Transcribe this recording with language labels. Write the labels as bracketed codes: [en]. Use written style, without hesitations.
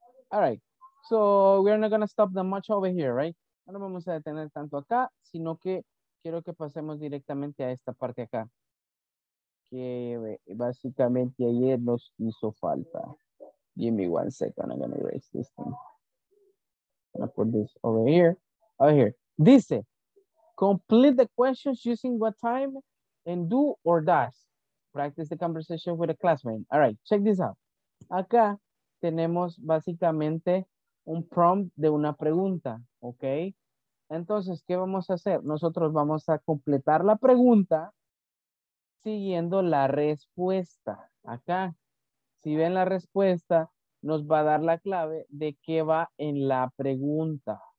[en] All right, so we're not going to stop that much over here, right? [es] No nos vamos a detener tanto acá, sino que quiero que pasemos directamente a esta parte acá. Que básicamente ayer nos hizo falta. [en] Give me one second, I'm gonna erase this thing. I'm gonna put this over here. Over here. Dice, complete the questions using what time and do or does. Practice the conversation with a classmate. All right, check this out. [es] Acá tenemos básicamente un prompt de una pregunta, ¿ok? Entonces, ¿qué vamos a hacer? Nosotros vamos a completar la pregunta siguiendo la respuesta. Acá, si ven la respuesta, nos va a dar la clave de qué va en la pregunta.